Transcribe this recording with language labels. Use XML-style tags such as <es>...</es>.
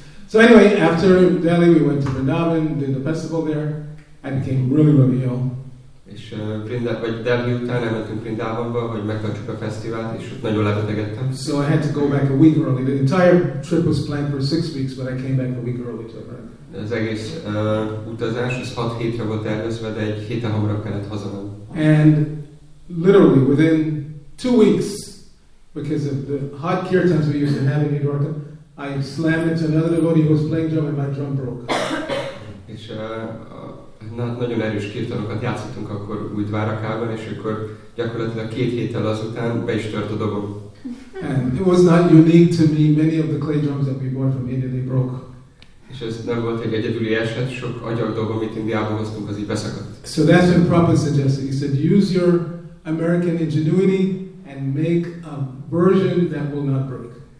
<en>So anyway, after Delhi we went to Vrindavan, did the festival there, I became really, really ill.</en> <hu>És Delhi után elmentünk Vrindavanba, hogy megtartsuk a fesztivált, és ott nagyon lebetegedtem.</hu> <en>So I had to go back a week early. The entire trip was planned for 6 weeks, but I came back a week early to America.</en> <hu>Az egész utazás, az 6 hétre volt tervezve, de egy héten hamarabb kellett hazamenni.</hu> <en>And literally within 2 weeks, because of the hot kirtans we used to have in New York. I slammed into another devotee who was playing drum and my drum broke.</en> <hu>És nagyon erős kirtanokat játszottunk akkor Újdvárakában, és akkor gyakorlatilag két héttel azután be is tört a dobom.</hu> <en>And it was not unique to me. Many of the clay drums that we bought from India, they broke.</en> <hu>És ez nem volt egy egyedüli eset, sok agyag dob, amit Indiából hoztunk, az így beszakadt.</hu> <en>So that's what Prabhupada suggested. He said, use your American ingenuity and make a version that will not break.</en>